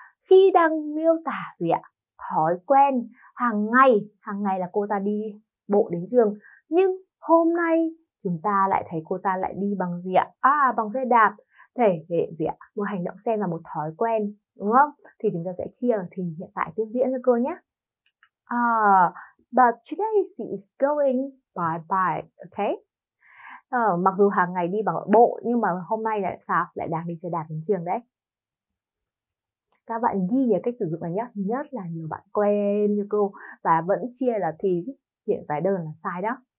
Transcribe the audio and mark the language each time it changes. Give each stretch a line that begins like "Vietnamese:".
Vietnamese: Khi đang miêu tả gì ạ? Thói quen hàng ngày là cô ta đi bộ đến trường. Nhưng hôm nay chúng ta lại thấy cô ta lại đi bằng gì ạ? Bằng xe đạp. Thể hiện gì ạ? Một hành động xem là một thói quen, đúng không? Thì chúng ta sẽ chia thì hiện tại tiếp diễn cho cô nhé.
English: But today she is going by bike, okay?
Vietnamese: Mặc dù hàng ngày đi bằng bộ nhưng mà hôm nay lại sao? Lại đang đi xe đạp đến trường đấy. Các bạn ghi nhớ cách sử dụng này nhé. Nhất là nhiều bạn quen như cô và vẫn chia là thì hiện tại đơn là sai đó.